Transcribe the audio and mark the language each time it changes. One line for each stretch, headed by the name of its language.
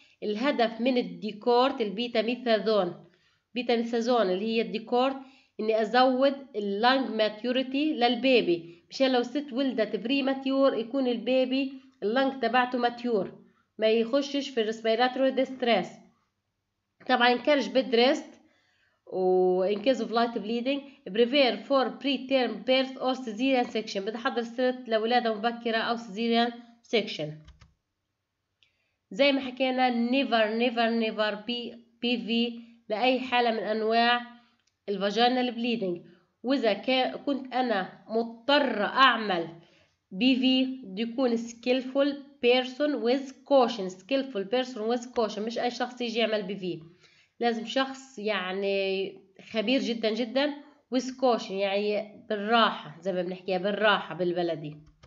Arabic: الهدف من الديكورت البيتا ميثازون، بيتا ميثازون اللي هي الديكورت، اني ازود اللانج ماتيوريتي للبيبي، مشان لو الست ولدت بري ماتيور يكون البيبي اللانج تبعته ماتيور، ما يخشش في الريسبيراتوري ديستريس. طبعا كارش بيدريست و
English: in case of light bleeding prepare for preterm birth or cesarean section،
Arabic: بدي احضر الست لولاده مبكره او
English: cesarean section.
Arabic: زي ما حكينا never never never PV لاي حاله من انواع الفاجينال بليدنج. واذا كنت انا مضطره اعمل PV يكون
English: skillful person with caution،
Arabic: skillful person with caution، مش اي شخص يجي يعمل PV، لازم شخص يعني خبير جدا جدا وسكوشن يعني بالراحة زي ما بنحكيها بالراحة بالبلدي.